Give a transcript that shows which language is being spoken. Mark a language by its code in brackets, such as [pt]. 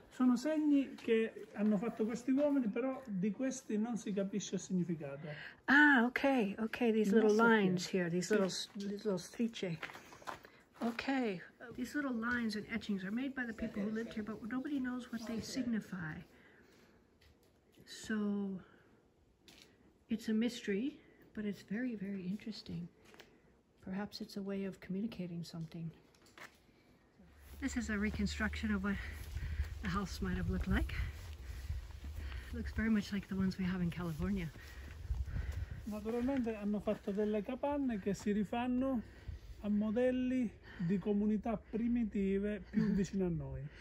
[it] Sono segni che hanno fatto questi uomini, però di questi non si capisce il significato. [en] Ah, okay, okay, these little lines here, these little strisce. Okay, these little lines and etchings are made by the people who lived here, but nobody knows what they signify. So, it's a mystery, but it's very, very interesting. Perhaps it's a way of communicating something. This is a reconstruction of what the house might have looked like. It looks very much like the ones we have in California. [it] Naturalmente hanno fatto delle capanne che si rifanno a modelli di comunità primitive più vicine a noi.